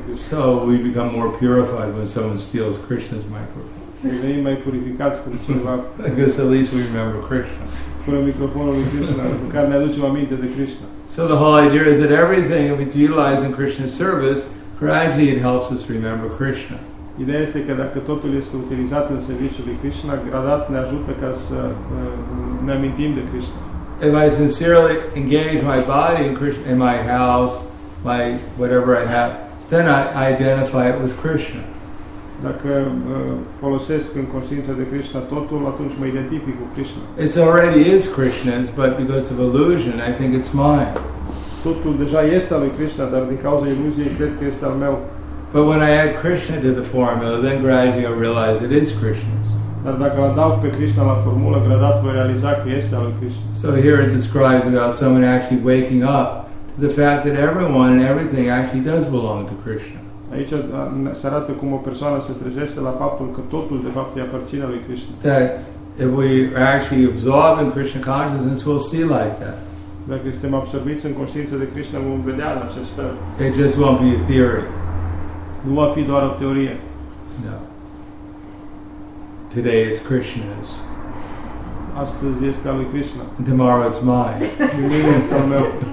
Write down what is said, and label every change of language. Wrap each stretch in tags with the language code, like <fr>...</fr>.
<en>So we become more purified when someone steals Krishna's microphone. Because at least we remember Krishna. So the whole idea is that everything we utilize in Krishna's service, gradually it helps us remember Krishna.</en> <ro>Ideea este că dacă totul este utilizat în serviciul lui Krishna, gradat ne ajută ca să ne amintim de Krishna.</ro> <en>If I sincerely engage my body in Krishna, in my house, my whatever I have, then I identify it with Krishna.</en> <ro>Dacă folosesc în conștiința de Krishna totul, atunci mă identific cu Krishna.</ro> <en>It already is Krishna's, but because of illusion, I think it's mine.</en> <ro>Totul deja este al lui Krishna, dar din cauza iluziei cred că este al meu.</ro> <en>But when I add Krishna to the formula, then gradually I realize it is Krishna's.</en> <ro>Dar dacă l-adaug pe Krishna la formulă, gradat voi realiza că este al lui Krishna.</ro> <en>So here it describes about someone actually waking up to the fact that everyone and everything actually does belong to Krishna.</en> <ro>Aici se arată cum o persoană se trezește la faptul că totul de fapt îi aparține lui Krishna.</ro> <en>That if we are actually absorbed in Krishna consciousness, we'll see like that.</en> <ro>Dacă suntem absorbiți în conștiința de Krishna, vom vedea în acest fel.</ro> <en>It just won't be a theory.</en> <ro>Nu va fi doar o teorie.</ro> <en>No. Today is Krishna's.</en> <ro>Astăzi este al lui Krishna.</ro> <en>And tomorrow it's mine.</en> <ro>Mâine este al meu.</ro>